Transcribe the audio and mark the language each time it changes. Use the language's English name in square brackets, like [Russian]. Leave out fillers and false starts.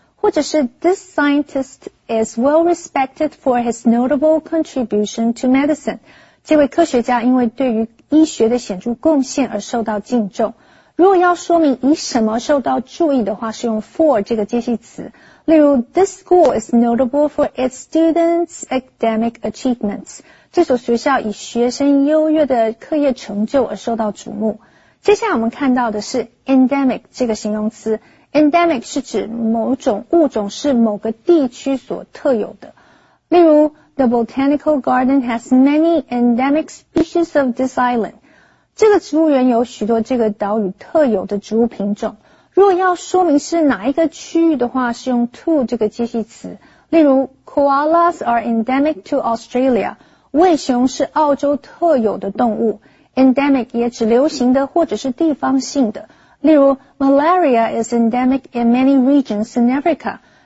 [Chinese] 或者是 [English] ,this scientist is well respected for his notable contribution to medicine. [Chinese] 这位科学家因为对于医学的显著贡献而受到敬重。如果要说明以什么受到注意的话，是用 for 这个介系词。例如 [English] ,this school is notable for its students' academic achievements. [Chinese] 这所学校以学生优越的课业成就而受到瞩目。接下来我们看到的是 endemic 这个形容词。endemic 是指某种物种是某个地区所特有的。例如 [English] The botanical garden has many endemic species of this island. [Chinese] 这个植物园有许多这个岛屿特有的植物品种。如果要说明是哪一个区域的话，是用 to 这个介系词。例如 [English] ,koalas are endemic to Australia. [Chinese] 浣熊是澳洲特有的动物。 endemic 也指流行的或者是地方性的。例如 , [English] malaria is endemic in many regions in Africa.